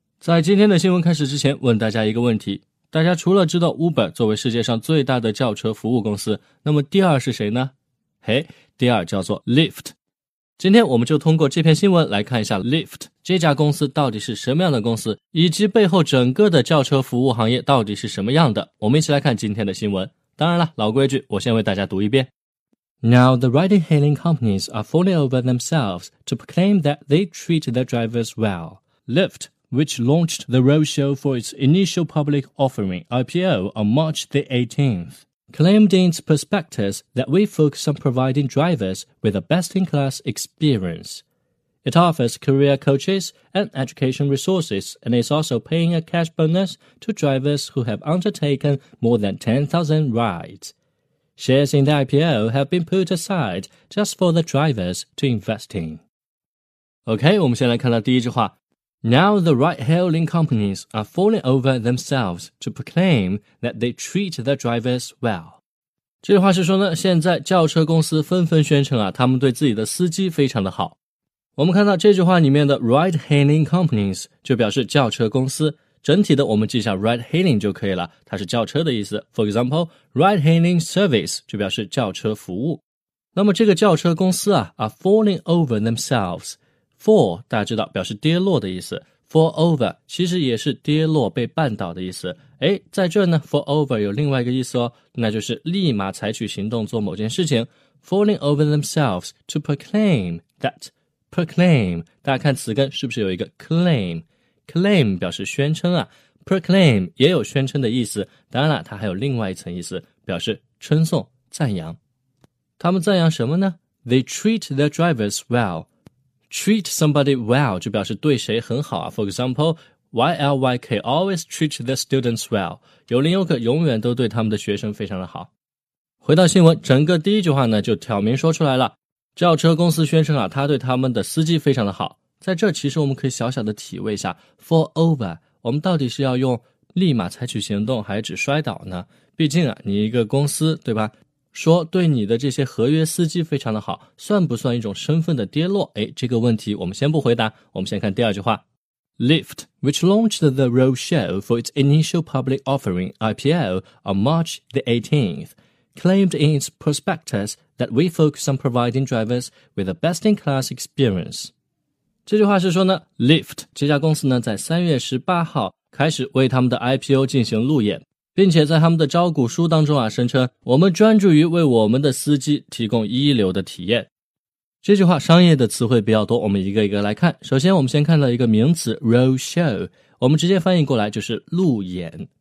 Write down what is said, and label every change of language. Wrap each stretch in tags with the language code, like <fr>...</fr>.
<zh>在今天的新闻开始之前，问大家一个问题，大家除了知道 Uber 作为世界上最大的轿车服务公司，那么第二是谁呢？嘿，第二叫做 Lyft。今天我们就通过这篇新闻来看一下 Lyft 这家公司到底是什么样的公司，以及背后整个的轿车服务行业到底是什么样的。我们一起来看今天的新闻。当然了，老规矩，我先为大家读一遍。</zh> <en>Now the riding hailing companies are falling over themselves to proclaim that they treat their drivers well. Lyft, which launched the roadshow for its initial public offering IPO on March the 18th, claimed in its prospectus that we focus on providing drivers with a best-in-class experience. It offers career coaches and education resources and is also paying a cash bonus to drivers who have undertaken more than 10,000 rides. Shares in the IPO have been put aside just for the drivers to invest in.</en> <zh>Okay, 我们先来看到第一句话。</zh> <en>Now the ride-hailing companies are falling over themselves to proclaim that they treat their drivers well.</en> <zh>这句话是说呢，现在轿车公司纷纷宣称啊，他们对自己的司机非常的好。我们看到这句话里面的 ride-hailing companies 就表示轿车公司，整体的我们记一下 ride-hailing 就可以了，它是轿车的意思。</zh> <en>For example,</en> <zh>ride-hailing service 就表示轿车服务。那么这个轿车公司啊</zh> <en>are falling over themselves。</en> <zh>Fall 大家知道表示跌落的意思， Fall over 其实也是跌落被绊倒的意思。诶，在这呢 Fall over 有另外一个意思哦，那就是立马采取行动做某件事情。</zh> <en>Falling over themselves to proclaim that proclaim，</en> <zh>大家看词根是不是有一个 claim， claim 表示宣称啊， proclaim 也有宣称的意思，当然了它还有另外一层意思，表示称颂赞扬。他们赞扬什么呢？</zh> <en>They treat their drivers wellTreat somebody well</en> <zh>就表示对谁很好啊。</zh> <en>For example, YLYK always treat the students well.</en> <zh>有林有可永远都对他们的学生非常的好。回到新闻，整个第一句话呢就挑明说出来了。轿车公司宣称啊，他对他们的司机非常的好。在这其实我们可以小小的体味一下 ,fall over, 我们到底是要用立马采取行动还是只摔倒呢？毕竟啊，你一个公司对吧，说对你的这些合约司机非常的好，算不算一种身份的跌落？诶，这个问题我们先不回答，我们先看第二句话。</zh> <en>Lyft, which launched the roadshow for its initial public offering IPO on March the 18th, claimed in its prospectus that we focus on providing drivers with a best-in-class experience.</en> <zh>这句话是说呢， Lyft 这家公司呢在3月18号开始为他们的 IPO 进行路演，并且在他们的招股书当中啊，声称我们专注于为我们的司机提供一流的体验。这句话商业的词汇比较多，我们一个一个来看。首先我们先看到一个名词 roadshow， 我们直接翻译过来就是路演。</zh>